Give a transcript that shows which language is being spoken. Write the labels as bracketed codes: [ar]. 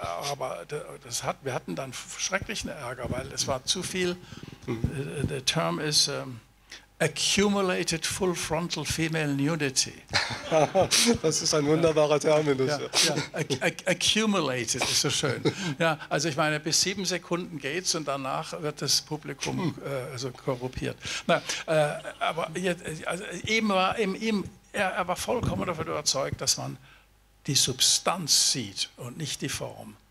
[de] aber das hat, wir hatten dann schrecklichen Ärger, weil es war zu viel. [en] The term is accumulated full frontal female nudity. [de] Das ist ein wunderbarer Terminus. Ja, ja. Accumulated ist so schön. Ja, also ich meine, bis 7 Sekunden geht's und danach wird das Publikum also korrumpiert. Er war vollkommen davon überzeugt, dass man die Substanz sieht und nicht die Form.